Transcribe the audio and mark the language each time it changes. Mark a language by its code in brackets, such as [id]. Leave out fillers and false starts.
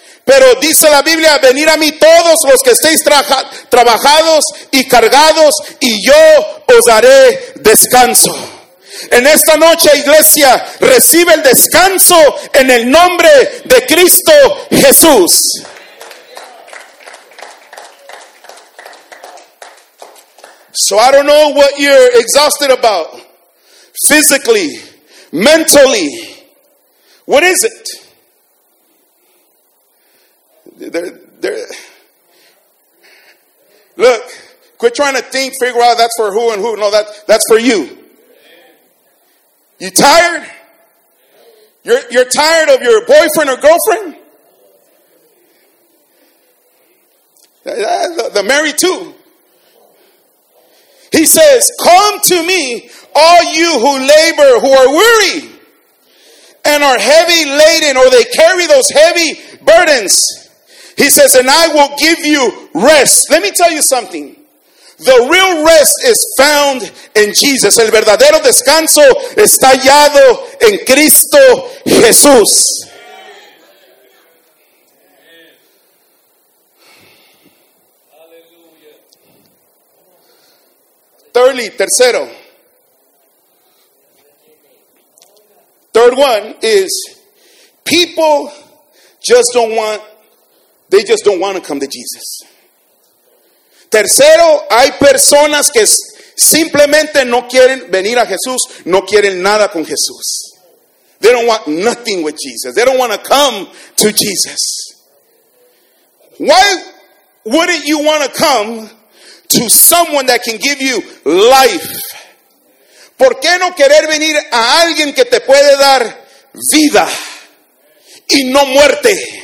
[es] Pero dice la Biblia, venid a mí todos los que estéis trabajados y cargados, y yo os daré descanso. En esta noche, iglesia, recibe el descanso en el nombre de Cristo Jesús. [en] So I don't know what you're exhausted about. Physically, mentally. What is it? Look, quit trying to think, figure out that's for who and who. No, that's for you. You tired? You're tired of your boyfriend or girlfriend? The married too. He says, come to me, all you who labor, who are weary and are heavy laden, or they carry those heavy burdens. He says, and I will give you rest. Let me tell you something. The real rest is found in Jesus. [es] El verdadero descanso está hallado en Cristo Jesús. [en] Thirdly, tercero. Third one is, they just don't want to come to Jesus. [es] Tercero, hay personas que simplemente no quieren venir a Jesús, no quieren nada con Jesús. [en] They don't want nothing with Jesus. They don't want to come to Jesus. Why wouldn't you want to come to someone that can give you life? [es] ¿Por qué no querer venir a alguien que te puede dar vida y no muerte?